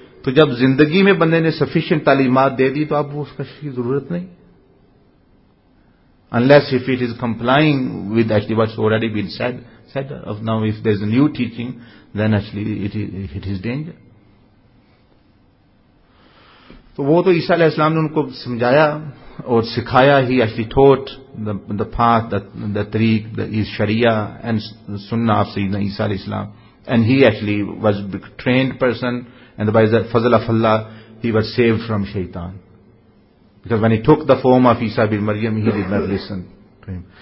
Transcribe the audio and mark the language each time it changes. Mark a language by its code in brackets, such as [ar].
[ur] تو جب زندگی میں بندے نے sufficient تعلیمات دے دی تو اب وہ اس کشف کی ضرورت نہیں. [en] Unless if it is complying with actually what's already been said of now, if there's a new teaching, then actually it is danger. [ur] تو وہ تو عیسیٰ علیہ السلام نے ان کو سمجھایا اور سکھایا. [en] He actually taught the path, the tariq, his sharia and sunnah of Sayyidina Isa علیہ السلام. And he actually was a trained person. And by the fazl of Allah, he was saved from shaitan. Because when he took the form of Isa bin Maryam, he did not listen to him.